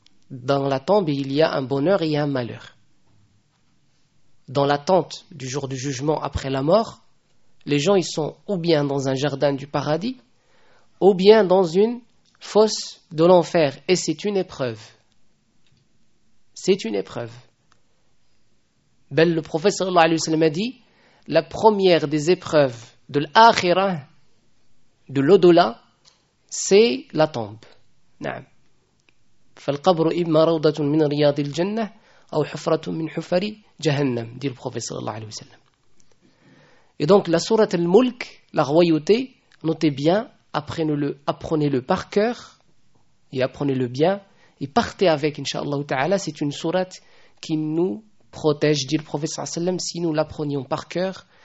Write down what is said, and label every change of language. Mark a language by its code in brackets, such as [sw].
[fr] Dans la tombe, il y a un bonheur et un malheur. Dans l'attente du jour du jugement après la mort, les gens ils sont ou bien dans un jardin du paradis, ou bien dans une fosse de l'enfer. Et c'est une épreuve. C'est une épreuve. Ben, le prophète sallallahu alayhi wa sallam a dit, la première des épreuves de l'akhira, de l'au-delà, c'est la tombe. [ar] Naam. فَالْقَبْرُ إِمَّا رَوْضَةٌ مِنْ رِيَاضِ الْجَنَّةِ أَوْ حُفْرَةٌ مِنْ حُفَرِ جَهَنَّمْ, [fr] dit le prophète [ar] sallallahu alayhi wa sallam. [fr] Et donc la sourate al-mulk, la royauté, notez bien, apprenez-le par cœur, et apprenez-le bien, et partez avec, inshallah ta'ala, c'est une sourate qui nous protège, dit le prophète sallallahu alayhi wa sallam, si nous l'apprenions par cœur.